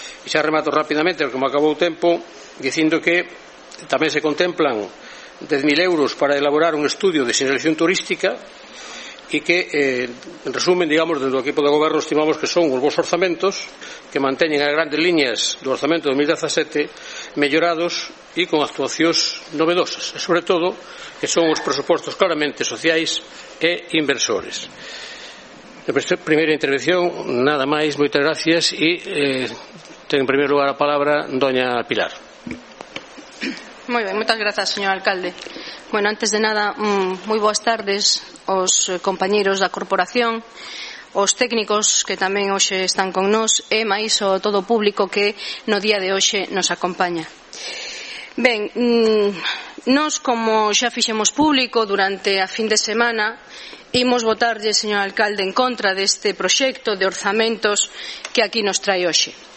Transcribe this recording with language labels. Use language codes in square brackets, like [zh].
[gl] E xa remato rapidamente, porque me acabou o tempo, dicindo que tamén se contemplan 10.000 euros para elaborar un estudio de sinalización turística e que, en resumen, digamos, dentro do equipo de goberno estimamos que son os bons orzamentos que manteñen as grandes líneas do orzamento 2017 mellorados e con actuacións novedosas, e sobre todo que son os presupostos claramente sociais e inversores. A primeira intervención, nada máis, moitas gracias, e ten en primeiro lugar a palabra doña Pilar. [es] Muy bien, muchas gracias, señor alcalde. [gl] Bueno, antes de nada, muy boas tardes aos compañeros da corporación, os técnicos que tamén hoxe están con nós e máis o todo o público que no día de hoxe nos acompaña. Ben, nós, como xa fixemos público durante a fin de semana, imos votarlle, señor alcalde, en contra deste proxecto de orzamentos que aquí nos trae hoxe.